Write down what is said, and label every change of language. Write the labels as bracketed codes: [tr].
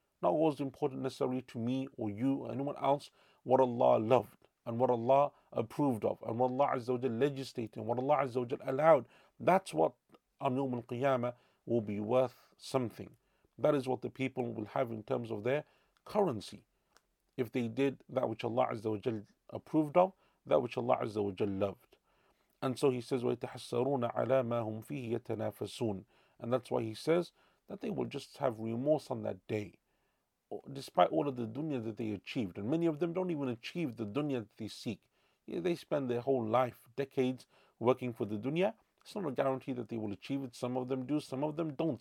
[en] Not what was important necessarily to me or you or anyone else, what Allah loved and what Allah approved of and what Allah Azza wa Jal legislated and what Allah Azza wa Jal allowed. That's what on Yawm al-Qiyamah will be worth something. That is what the people will have in terms of their currency. If they did that which Allah Azza wa Jal approved of, that which Allah Azza wa Jal loved. And so he says, [ar] وَيْتَحَسَّرُونَ عَلَىٰ مَا هُمْ فِيهِ يَتَنَافَسُونَ. [en] And that's why he says that they will just have remorse on that day, despite all of the dunya that they achieved. And many of them don't even achieve the dunya that they seek. Yeah, they spend their whole life, decades, working for the dunya. It's not a guarantee that they will achieve it. Some of them do, some of them don't.